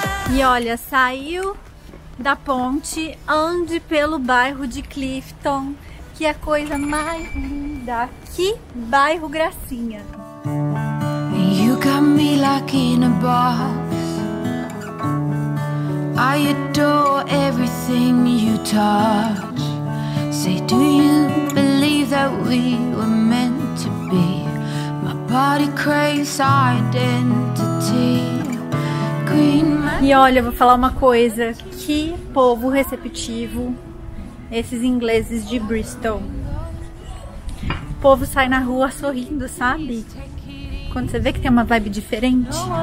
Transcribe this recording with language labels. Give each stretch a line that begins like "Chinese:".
Portuguese: E olha, saiu da ponte, ande pelo bairro de Clifton, que é a coisa mais linda! Que bairro gracinha!
English: You got me like in a box. I adore everything you touch. Say, do you believe that we were meant to be? My body craves identity. Green man.
Portuguese: E olha, eu vou falar uma coisa. Que povo receptivo esses ingleses de Bristol. O povo sai na rua sorrindo, sabe? Quando você vê que tem uma vibe diferente.